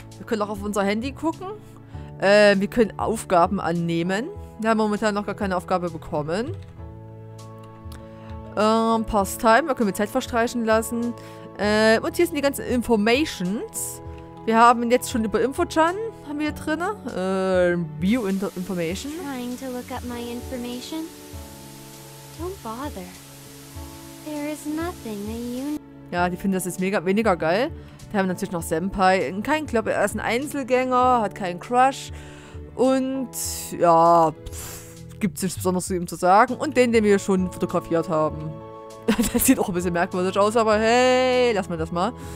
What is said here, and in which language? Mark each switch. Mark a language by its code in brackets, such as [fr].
[de] Wir können auch auf unser Handy gucken. Wir können Aufgaben annehmen. Wir haben momentan noch gar keine Aufgabe bekommen. Pastime. Da können wir Zeit verstreichen lassen. Und hier sind die ganzen Informations. Wir haben jetzt schon über Info-Chan haben wir hier drin. [en] View Information. Trying to look up my information. Don't bother. There is nothing that you... [de] Ja, die finden das jetzt mega weniger geil. Da haben wir natürlich noch Senpai. Kein Club, er ist ein Einzelgänger, hat keinen Crush. Und ja, gibt es nichts Besonderes zu ihm zu sagen. Und den wir schon fotografiert haben. Das sieht auch ein bisschen merkwürdig aus, aber hey, lass mal das mal.